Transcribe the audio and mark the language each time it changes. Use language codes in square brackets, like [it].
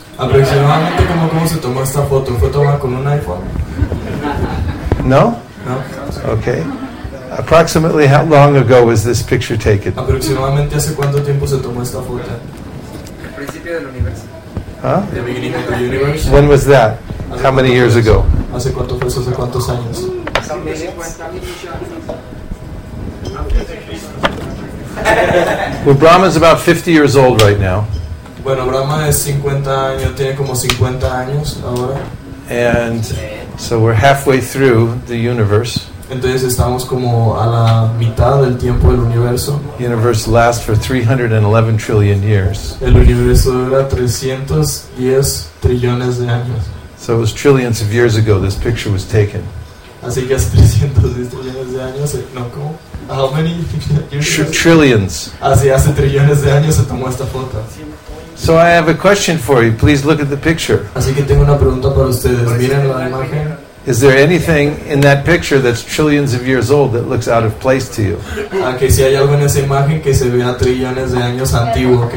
[es] Aproximadamente cómo se tomó esta foto, fue tomada con un iPhone. No? No. [en] Okay. Approximately how long ago was this picture taken? [es] Aproximadamente hace cuánto tiempo se tomó esta foto? El principio del universo. Huh? [en] The beginning of the universe. When was that? How many years ago? [es] Hace cuánto fue, hace cuántos años? [en] Well, Brahma is about 50 years old right now. [es] Bueno, Brahma es 50 años, tiene como 50 años ahora. [en] And so we're halfway through the universe. [es] Entonces estamos como a la mitad del tiempo del universo. [en] The universe lasts for 311 trillion years. [es] El universo dura 310 trillones de años. [en] So it was trillions of years ago this picture was taken. [es] Así que hace 310 trillones de años, no, ¿cómo? [en] How many trillions? [es] Hace trillones de años se tomó esta foto. [en] So I have a question for you. Please look at the picture. [es] Así que tengo una pregunta para ustedes. Miren la imagen. [en] Is there anything in that picture that's trillions of years old that looks out of place to you? [es] Que si hay algo en esa imagen que se vea trillones de años antiguo.